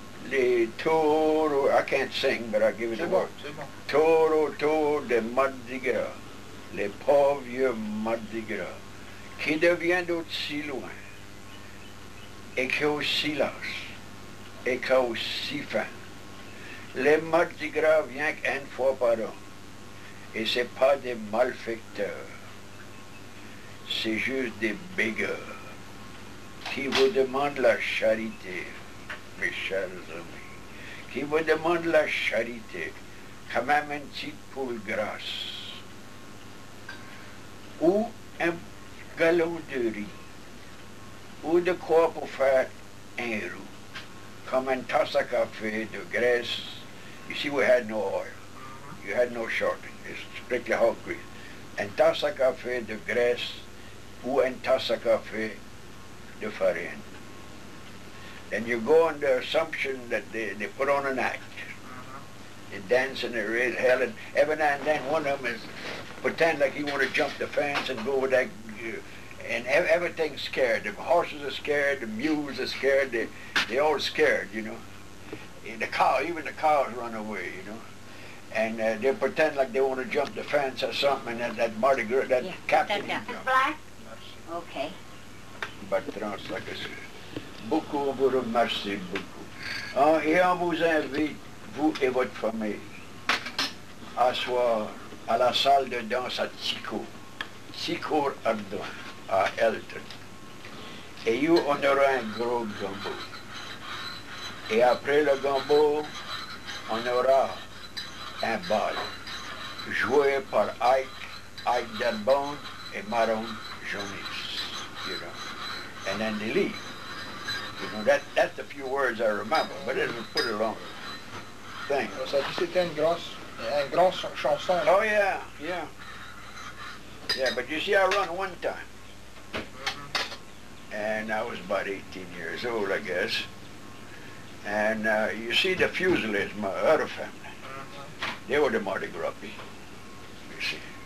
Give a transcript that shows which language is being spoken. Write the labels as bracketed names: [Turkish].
[English] The Toro, I can't sing, but I'll give it a word. [French] Toro, Toro de Mardi Gras, les pauvres Mardi Gras, qui devient d'autre si loin, et qui est aussi lâche, et qui est aussi fin. Les Mardi Gras viennent une fois par an, et c'est pas des malfaiteurs, c'est juste des bégueurs qui vous demandent la charité, mes chers amis. Qui vous demande la charité, quand même un petit poule grasse, ou un galon de riz, ou de quoi pour faire un roux, comme un tasse à café de graisse. [English] You see, we had no oil. You had no shortening. It's strictly hog grease. [French] Un tasse à café de graisse, ou un tasse à café de farine. [English] And you go on the assumption that they put on an act. They dance and they raise hell, and every now and then one of them is pretend like he want to jump the fence and go with that. And everything's scared. The horses are scared, the mules are scared, they're all scared, you know. And the cow, even the cows run away, you know. And they pretend like they want to jump the fence or something, and that Mardi Gras, that yeah, captain. That black? Yes. Okay. [French] Bertrand, [English] like I said. [French] Beaucoup vous remercie beaucoup. Et on vous invite, vous et votre famille, à soir à la salle de danse à Tico, Tico Ardouin, à Elton. Et vous, on aura un gros gambo. Et après le gambo, on aura un bal joué par Ike Darbon et Maron Jonis. [English] You know. And then they leave. You know, that's a few words I remember, but it was a pretty long thing. [French] C'était une grosse chanson. [English] Oh, yeah. Yeah, but you see, I run one time. And I was about 18 years old, I guess. And you see, the Fuselers, my other family, they were the Mardi Gras people, you see.